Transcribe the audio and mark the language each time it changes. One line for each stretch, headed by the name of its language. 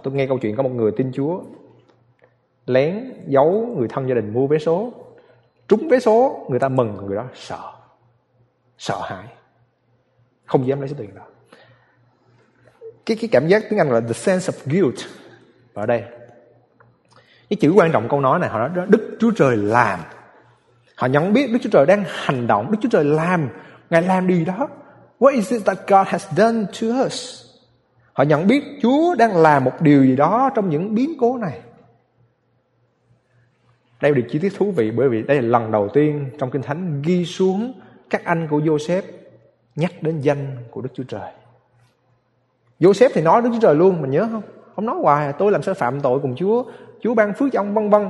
Vietnamese: Tôi nghe câu chuyện có một người tin Chúa lén giấu người thân gia đình mua vé số, trúng vé số, người ta mừng, người đó sợ, sợ hãi, không dám lấy số tiền đó. Cái cảm giác tiếng Anh là
English: the sense of guilt.
Vietnamese: Và ở đây cái chữ quan trọng câu nói này, họ nói đó, Đức Chúa Trời làm. Họ nhận biết Đức Chúa Trời đang hành động. Đức Chúa Trời làm, Ngài làm điều đó.
English: What is it that God has done to us?
Vietnamese: Họ nhận biết Chúa đang làm một điều gì đó trong những biến cố này. Đây là điều chi tiết thú vị, bởi vì đây là lần đầu tiên trong Kinh Thánh ghi xuống các anh của Joseph nhắc đến danh của Đức Chúa Trời. Joseph thì nói Đức Chúa Trời luôn, mình nhớ không? Ông nói hoài, tôi làm sao phạm tội cùng Chúa, Chúa ban phước cho ông, vân vân.